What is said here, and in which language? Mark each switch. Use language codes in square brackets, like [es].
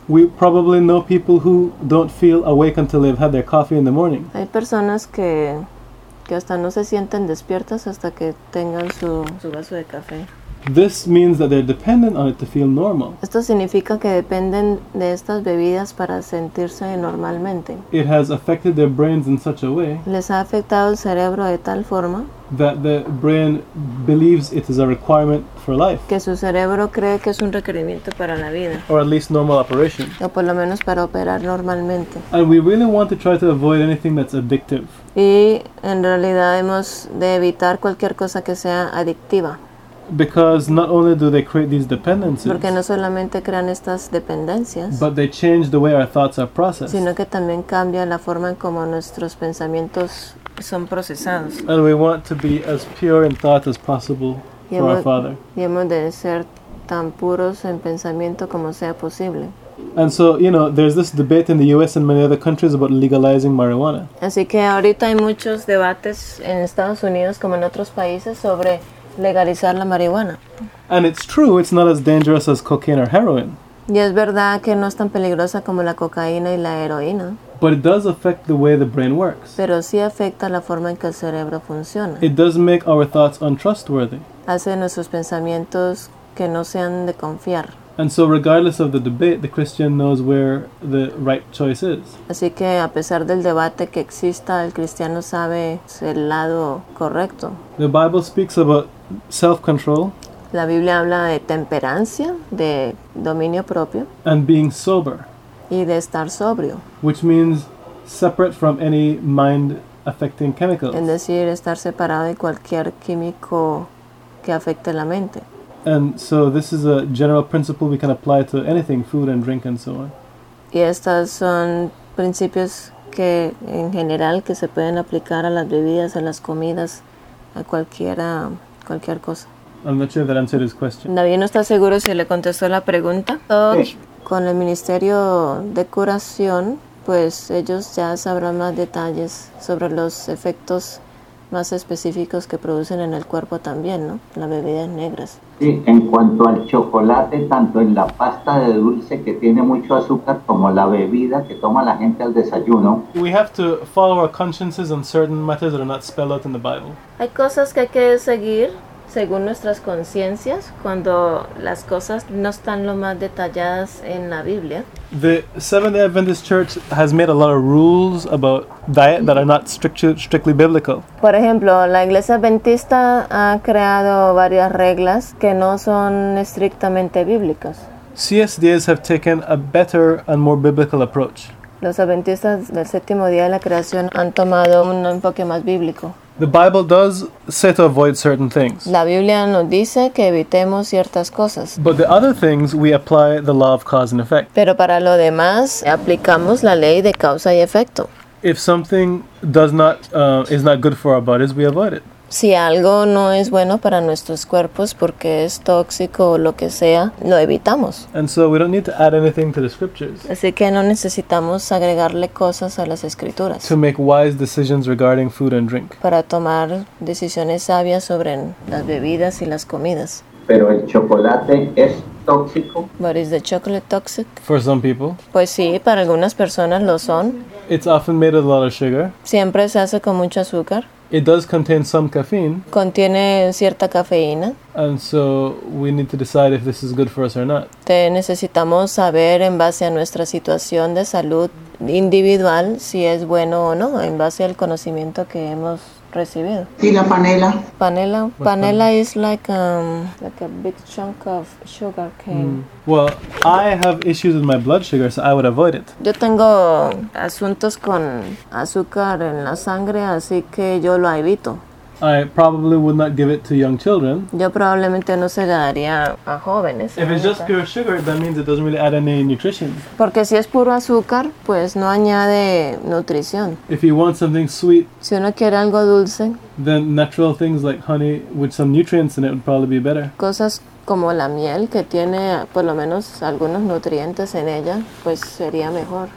[en] We probably know people who don't feel awake until they've had their coffee in the morning. [es] Hay personas que hasta no se sienten despiertas hasta que tengan su vaso de café. [en] This means that they're dependent on it to feel normal. [es] Esto significa que dependen de estas bebidas para sentirse normalmente. [en] It has affected their brains in such a way. [es] Les ha afectado el cerebro de tal forma. [en] That the brain believes it is a requirement for life. [es] Que su cerebro cree que es un requerimiento para la vida. [en] Or at least normal operation. [es] O por lo menos para operar normalmente. [en] And we really want to try to avoid anything that's addictive. [es] Y en realidad hemos de evitar cualquier cosa que sea adictiva. [en] Because not only do they create these dependencies, [es] porque no solamente crean estas dependencias, [en] but they change the way our thoughts are processed, [es] sino que también cambia la forma en como nuestros pensamientos son procesados. [en] And we want to be as pure in thought as possible for our Father. [es] Y hemos de ser tan puros en pensamiento como sea posible. [en] And so, you know, there's this debate in the U.S. and many other countries about legalizing marijuana. [es] Así que ahorita hay muchos debates en Estados Unidos como en otros países sobre legalizar la marihuana. [en] And it's true, it's not as dangerous as cocaine or heroin. [es] Y es verdad que no es tan peligrosa como la cocaína y la heroína. [en] But it does affect the way the brain works. [es] Pero sí afecta la forma en que el cerebro funciona. [en] It does make our thoughts untrustworthy. [es] Hace nuestros pensamientos que no sean de confiar. [en] And so regardless of the debate, the Christian knows where the right choice is. [es] Así que a pesar del debate que exista, el cristiano sabe el lado correcto. [en] The Bible speaks about self-control. [es] La Biblia habla de temperancia, de dominio propio. [en] And being sober. [es] Y de estar sobrio. [en] Which means separate from any mind-affecting chemicals. [es] Es decir, estar separado de cualquier químico que afecte la mente. [en] And so this is a general principle we can apply to anything, food and drink and so on. [es] Y estos son principios que en general que se pueden aplicar a las bebidas, a las comidas, a cualquier cosa. [en] I'm not sure that answered his question. [es] David no está seguro si le contestó la pregunta. Sí. Con el Ministerio de Curación, pues ellos ya sabrán más detalles sobre los efectos más específicos que producen en el cuerpo también, ¿no? Las bebidas negras. Sí, en cuanto al chocolate, tanto en la pasta de dulce que tiene mucho azúcar como la bebida que toma la gente al desayuno. [en] We have to follow our consciences on certain matters that are not spelled out in the Bible. [es] Hay cosas que hay que seguir según nuestras conciencias cuando las cosas no están lo más detalladas en la Biblia. [en] The Seventh-day Adventist Church has made a lot of rules about diet that are not strictly biblical. [es] Por ejemplo, la Iglesia Adventista ha creado varias reglas que no son estrictamente bíblicas. [en] CSDAs have taken a better and more biblical approach. [es] Los Adventistas del Séptimo Día de la Creación han tomado un enfoque más bíblico. [en] The Bible does say to avoid certain things. [es] La Biblia nos dice que evitemos ciertas cosas. [en] But the other things, we apply the law of cause and effect. [es] Pero para lo demás, aplicamos la ley de causa y efecto. [en] If something does not is not good for our bodies, we avoid it. [es] si algo no es bueno para nuestros cuerpos porque es tóxico o lo que sea, lo evitamos. [en] And so we don't need to add anything to the scriptures. [es] Así que no necesitamos agregarle cosas a las escrituras. [en] To make wise decisions regarding food and drink. [es] Para tomar decisiones sabias sobre las bebidas y las comidas. Pero el chocolate es tóxico. [en] But is the chocolate toxic? For some people. [es] Pues sí, para algunas personas lo son. [en] It's often made with a lot of sugar. [es] Siempre se hace con mucho azúcar. [en] It does contain some caffeine. [es] Contiene cierta cafeína. [en] And so we need to decide if this is good for us or not. [es] Necesitamos saber en base a nuestra situación de salud individual si es bueno o no, en base al conocimiento que hemos recibido. ¿Y la panela? [en] Panela. What's panela fun? Is like a big chunk of sugar cane. Well, I have issues with my blood sugar, so I would avoid it. [es] Yo tengo asuntos con azúcar en la sangre, así que yo lo evito. [en] I probably would not give it to young children. [es] Yo probablemente no se la daría a jóvenes. [en] If it's just pure sugar, that means it doesn't really add any nutrition. [es] Porque si es puro azúcar, pues no añade nutrición. [en] If you want something sweet, [es] si uno quiere algo dulce, [en] then natural things like honey with some nutrients in it would probably be better. [es] Cosas como la miel, que tiene por lo menos algunos nutrientes en ella, pues sería mejor.